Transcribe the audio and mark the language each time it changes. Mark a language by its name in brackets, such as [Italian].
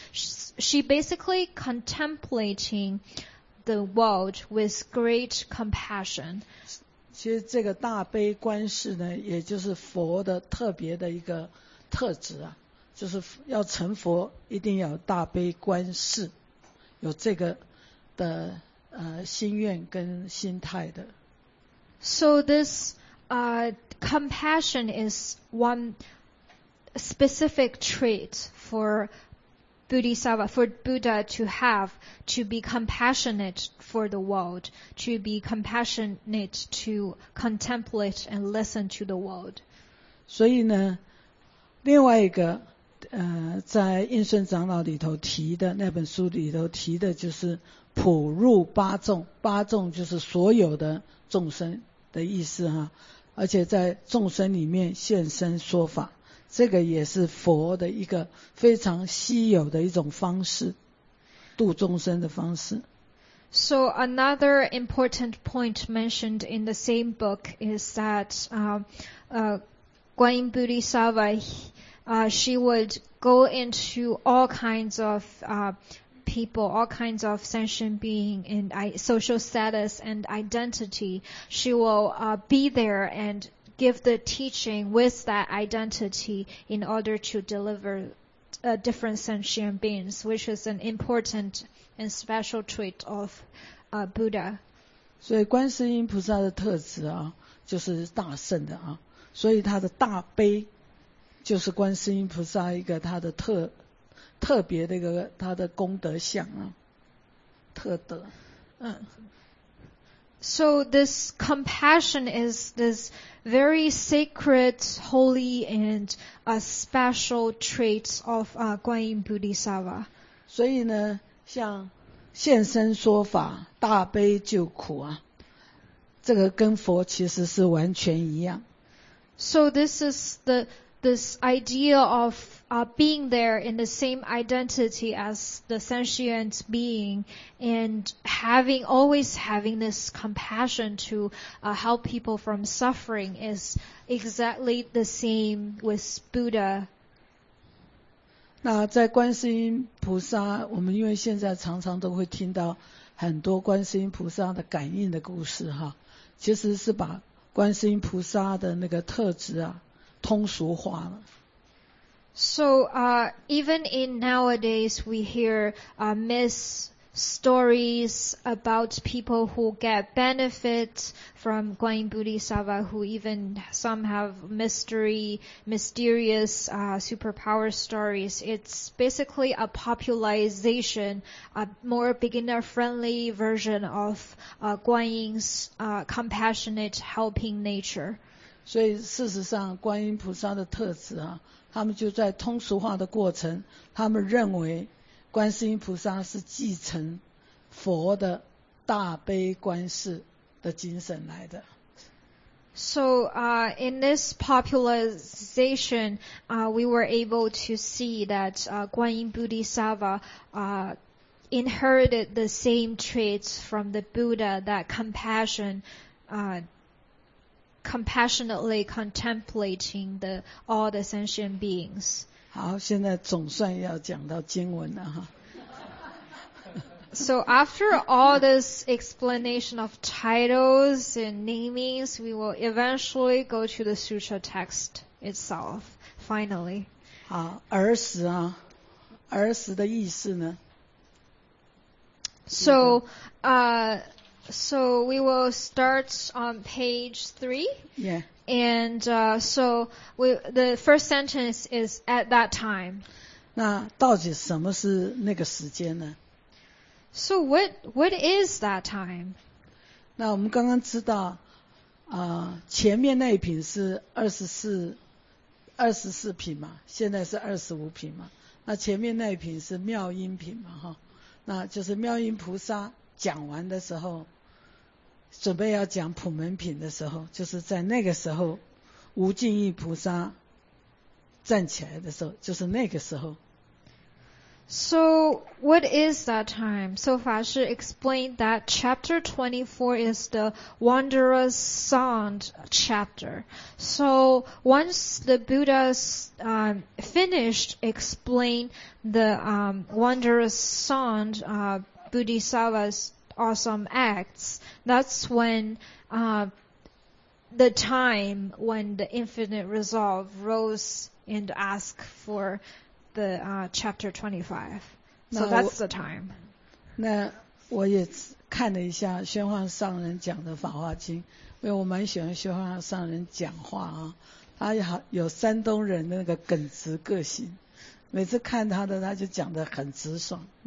[English] She basically contemplating the world with great compassion. [Chinese] 其实这个大悲观世呢，也就是佛的特别的一个特质啊，就是要成佛一定要大悲观世，有这个的心愿跟心态的。 [English] So this compassion is one specific trait for Bodhisattva, for Buddha to have, to be compassionate for the world, to be compassionate to contemplate and listen to the world. [Chinese] 所以呢，另外一个，在印顺长老里头提的那本书里头提的就是普入八众，八众就是所有的众生的意思哈，而且在众生里面现身说法。这个也是佛的一个非常稀有的一种方式，度众生的方式。 [English] So another important point mentioned in the same book is that Guan Yin Bodhisattva, she would go into all kinds of people, all kinds of sentient being and social status and identity. She will be there and give the teaching with that identity in order to deliver different sentient beings, which is an important and special trait of Buddha. [Chinese] 所以观世音菩萨的特质啊，就是大圣的啊，所以他的大悲就是观世音菩萨一个他的特别的一个他的功德相啊，特德。嗯。 [English] So this compassion is this very sacred, holy, and a special traits of Guan Yin Bodhisattva. [Chinese] 所以呢，像现身说法、大悲救苦啊，这个跟佛其实是完全一样。 [English] So this is this idea of being there in the same identity as the sentient being and always having this compassion to help people from suffering is exactly the same with Buddha. [Chinese] 那在观世音菩萨，我们因为现在常常都会听到很多观世音菩萨的感应的故事哈，其实是把观世音菩萨的那个特质啊通俗化了。 [English] So even in nowadays we hear myths, stories about people who get benefits from Guan Yin Bodhisattva, who even some have mysterious superpower stories. It's basically a popularization, a more beginner friendly version of Guan Yin's compassionate helping nature. [Chinese] 所以事实上观音菩萨的特质啊，他们就在通俗化的过程，他们认为观世音菩萨是继承佛的大悲观世的精神来的。 [English] So, in this popularization, we were able to see that, Guan Yin Bodhisattva, inherited the same traits from the Buddha, that compassion, compassionately contemplating all the sentient beings. [Chinese] 好，现在总算要讲到经文了哈。 [English] So after all this explanation of titles and namings, we will eventually go to the sutra text itself, finally. [Chinese] 好，儿时啊，儿时的意思呢？ [English] So we will start on page 3. Yeah. And so we, the first sentence is at that time. [Chinese] 那到底什么是那个时间呢？ [English] So what is that time? [Chinese] 那我们刚刚知道前面那一品是24品嘛，现在是25品嘛，那前面那一品是妙音品嘛，哈，那就是妙音菩萨讲完的时候，准备要讲普门品的时候，就是在那个时候无尽意菩萨站起来的时候，就是那个时候。 [English] So what is that time? So Fa Shi explained that chapter 24 is the wondrous sound chapter. So once the Buddha's finished explain the wondrous sound, Bodhisattva's awesome acts, that's when the time when the infinite resolve rose and asked for the chapter 25. So that's the time. [Chinese] 那我也看了一下宣幻上人讲的法华经，因为我蛮喜欢宣幻上人讲话啊，他有山东人的那个耿直个性，每次看他的他就讲得很直爽。